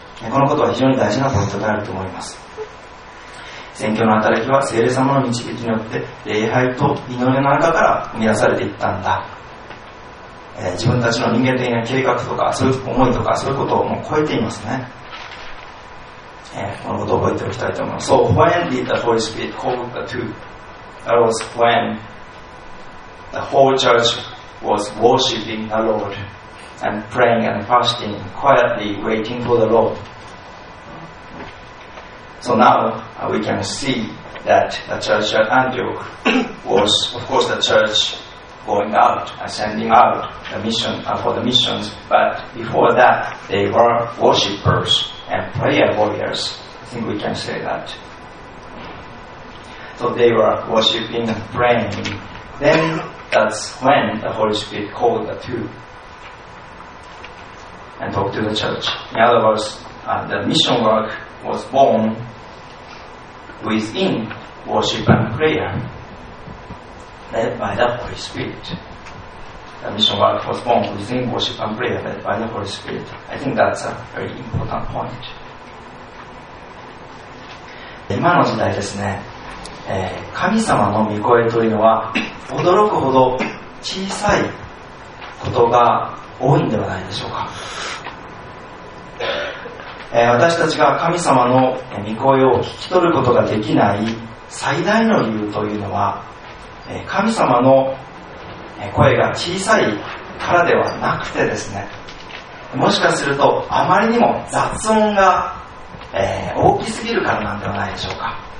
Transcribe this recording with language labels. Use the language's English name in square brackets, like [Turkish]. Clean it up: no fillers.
[Japanese] このことは非常に大事なポイントであると思います。宣教の働きは聖霊様の導きによって礼拝と祈りの中から生み出されていったんだ。自分たちの人間的な計画とかそういう思いとかそういうことをもう超えていますね。このことを覚えておきたいと思います。 [English] So when did the Holy Spirit call the two? That was when the whole church was worshipping the Lord and praying and fasting quietly waiting for the Lord. So now we can see that the church at Antioch was of course the churchGoing out, ascending out, the mission, for the missions. But before that, they were worshippers and prayer warriors. I think we can say that. So they were worshipping and praying. Then that's when the Holy Spirit called the two and talked to the church. In other words, the mission work was born within worship and prayer. Led by the Holy Spirit. The mission work was born within worship and prayer, led by the Holy Spirit. I think that's a very important point. [Japanese] 今の時代ですね、神様の御声というのは驚くほど小さいことが多いんではないでしょうか。私たちが神様の御声を聞き取ることができない最大の理由というのは、神様の声が小さいからではなくてですね、もしかするとあまりにも雑音が大きすぎるからなんではないでしょうか。